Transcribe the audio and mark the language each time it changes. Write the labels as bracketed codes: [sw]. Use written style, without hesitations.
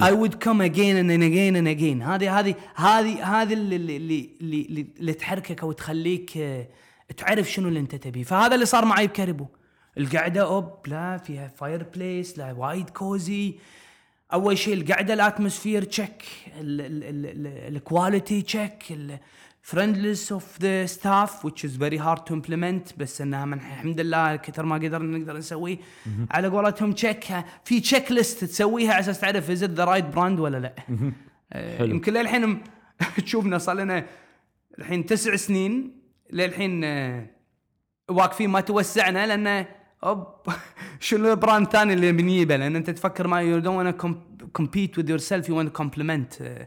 [en] I would come again and again and again. [ar] هذه اللي تحركك وتخليك تعرف شنو اللي أنت تبيه. فهذا اللي صار معي بكاريبو. القعدة أوب لا فيها فاير بليس لا وايد كوزي. أول شيء القعدة الأتموسفير تشيك ال ال ال الكواليتي تشيك. [en] friendless of the staff, which is very hard to implement. [ar] بس إنها من الحمد لله كتر ما قدرنا نقدر نسويه. Mm-hmm. على قولتهم check, في checklist تسويها عشان تعرف [en] is it the right brand [ar] ولا لا. Mm-hmm. يمكن للحين تشوفنا صار لنا الحين 9 سنين للحين واقفين ما توسعنا لأن أوب شنو البراند ثاني اللي بنجيبه, لأن أنت تفكر ما [en] you don't wanna compete with yourself, you wanna complement.